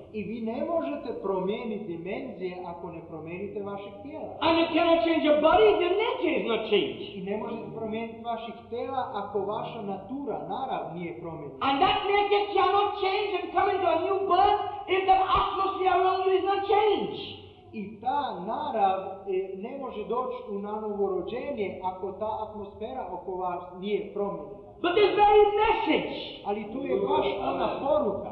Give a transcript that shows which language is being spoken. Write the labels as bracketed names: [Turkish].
[Croatian] I vi ne možete promijeniti dimenzije ako ne promijenite vašeg tijela. [English] And you cannot change your body if your nature is not changed. [Croatian] I ne možete promijeniti vaših tijela ako vaša natura, narav nije promijenjena. [English] And that nature cannot change and come into a new birth if the atmosphere around you is not changed. [Croatian] I ta narav ne može doći u novo rođenje ako ta atmosfera oko vas nije promijenjena. [English] But this very message, [Croatian] ali tu je baš ona poruka.